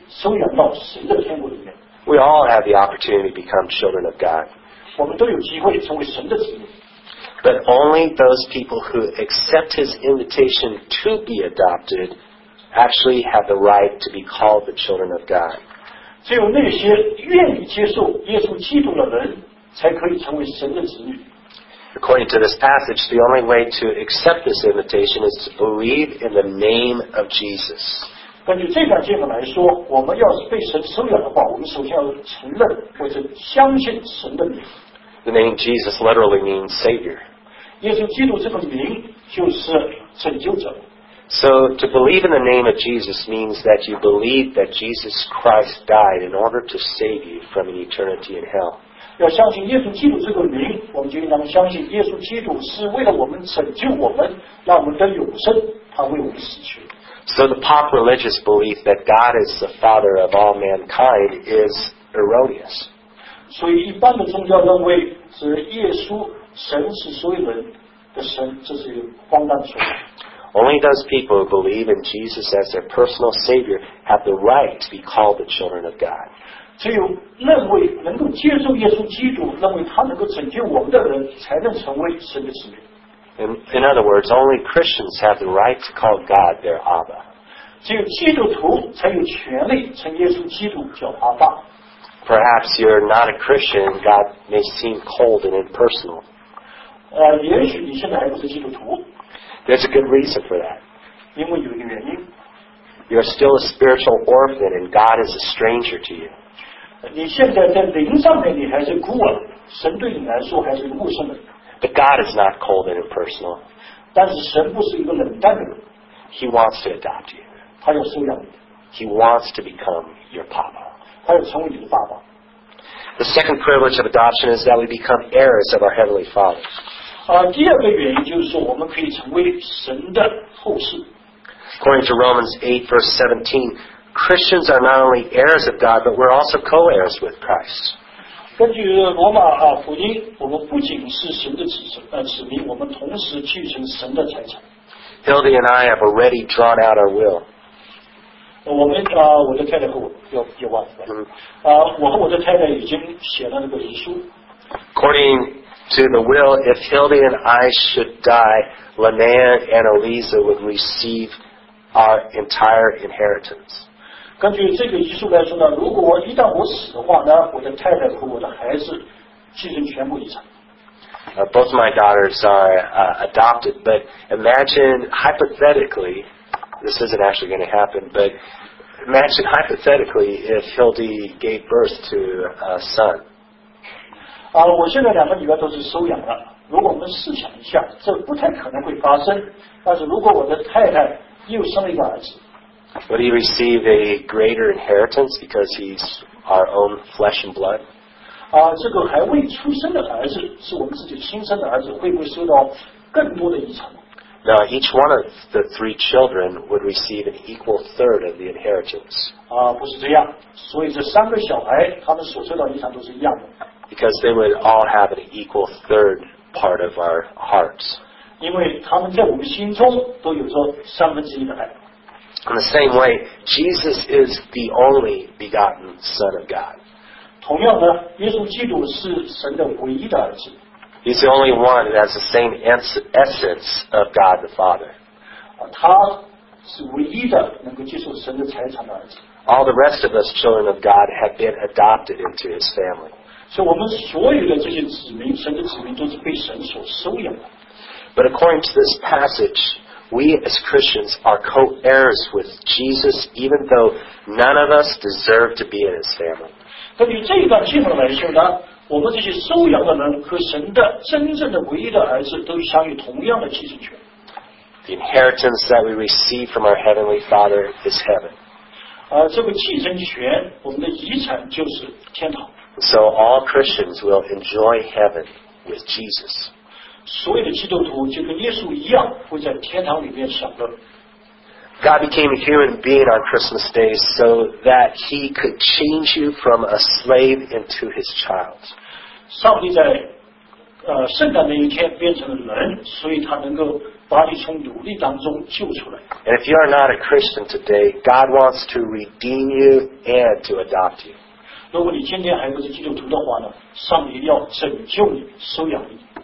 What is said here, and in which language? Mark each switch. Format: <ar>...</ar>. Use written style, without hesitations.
<en>We all have the opportunity to become children of God. But only those people who accept His invitation to be adopted actually have the right to be called the children of God.</en> <zh>只有那些愿意接受耶稣基督的人才可以成为神的子女。</zh> <en>According to this passage, the only way to accept this invitation is to believe in the name of Jesus.</en> <zh>根据这段经文来说，我们要是被神收养的话，我们首先要承认或者相信神的名。</zh> <en>The name Jesus literally means Savior.</en> <zh>耶稣基督这个名就是拯救者。</zh> <en>So to believe in the name of Jesus means that you believe that Jesus Christ died in order to save you from an eternity in hell.</en> <zh>要相信耶稣基督这个名，我们就应当相信耶稣基督是为了我们拯救我们，让我们得永生，他为我们死去。</zh> <en>So the pop religious belief that God is the father of all mankind is erroneous.</en> <zh>所以一般的宗教认为是耶稣神是所有人的神，这是一个荒诞说法。</zh> <en>Only those people who believe in Jesus as their personal Savior have the right to be called the children of God.</en> <zh>只有认为能够接受耶稣基督，认为他能够拯救我们的人，才能成为神的子女。</zh> <en>In other words, only Christians have the right to call God their Abba.</en> <zh>只有基督徒才有权利称耶稣基督叫阿爸。</zh> <en>Perhaps you're not a Christian, God may seem cold and impersonal.</en> <zh>也许你现在还不是基督徒。</zh> <en>There's a good reason for that.</en> <zh>因为有一个原因。</zh> <en>You're still a spiritual orphan and God is a stranger to you.</en> <zh>你现在在灵上面你还是孤儿，神对你来说还是陌生的。</zh> <en>But God is not cold and impersonal.</en> <zh>但是神不是一个冷淡的人。</zh> <en>He wants to adopt you.</en> <zh>他要收养你。</zh> <en>He wants to become your papa.</en> <zh>他要成为你的爸爸。</zh> <en>The second privilege of adoption is that we become heirs of our Heavenly Father.</en> <zh>第二个原因就是说我们可以成为神的后世。</zh> <en>According to Romans 8:17, Christians are not only heirs of God, but we're also co-heirs with Christ.</en> <zh>根据罗马福音，我们不仅是神的子民，我们同时继承神的财产。</zh> <en>Hildy and I have already drawn out our will.</en> <zh>我们我的太太和我有计划。我和我的太太已经写了那个遗书。</zh> <en>According to the will, if Hildy and I should die, Linnea and Aliza would receive our entire inheritance.</en> <zh>根据这个遗书来说呢，如果我一旦我死的话呢，我的太太和我的孩子继承全部遗产。</zh> <en>Both my daughters are adopted, but imagine hypothetically, this isn't actually going to happen, but imagine hypothetically if Hildy gave birth to a son.</en> <zh>我现在两个女儿都是收养的，如果我们试想一下，这不太可能会发生，但是如果我的太太又生了一个儿子，</zh> <en>Would he receive a greater inheritance because he's our own flesh and blood?</en> <zh>这个还未出生的儿子是我们自己亲生的儿子，会不会收到更多的遗产？</zh> <en>Now each one of the three children would receive an equal third of the inheritance.</en> <zh>不是这样，所以这三个小孩他们所收到遗产都是一样的。</zh> <en>Because they would all have an equal third part of our hearts. In the same way, Jesus is the only begotten Son of God. He's the only one that has the same essence of God the Father.</en> <zh>他是唯一的能够接受神的财产的儿子。</zh> <en>All the rest of us children of God have been adopted into his family.</en> <zh>所以我们所有的这些子民，神的子民都是被神所收养的。</zh> <en>But according to this passage, we as Christians are co-heirs with Jesus, even though none of us deserve to be in his family.</en> <zh>根据这一段经文来说呢，我们这些收养的人和神的真正的唯一的儿子都享有同样的继承权。</zh> <en>The inheritance that we receive from our Heavenly Father is heaven.</en> <zh>这个继承权，我们的遗产就是天堂。</zh> <en>So all Christians will enjoy heaven with Jesus.</en> <zh>所有的基督徒就跟耶稣一样，会在天堂里面享乐。</zh> <en>God became a human being on Christmas Day so that he could change you from a slave into his child.</en> <zh>上帝在圣诞那一天变成了人，所以他能够把你从奴隶当中救出来。</zh> <en>And if you are not a Christian today, God wants to redeem you and to adopt you.</en> <zh>如果你今天还不是基督徒的话呢，上帝要拯救你，收养你。</zh>